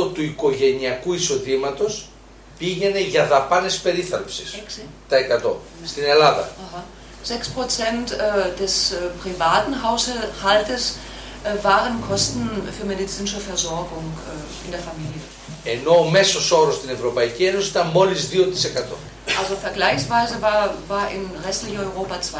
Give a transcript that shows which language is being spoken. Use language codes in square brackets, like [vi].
[el] 6% του οικογενειακού εισοδήματος πήγαινε για δαπάνες περίθαλψης. 6% στην Ελλάδα. [de] 6% des privaten Haushaltes waren Kosten für medizinische Versorgung in der Familie. [el] Ενώ ο μέσος όρος στην Ευρωπαϊκή Ένωση ήταν μόλις 2%. [de] Also vergleichsweise war in restlich Europa 2%.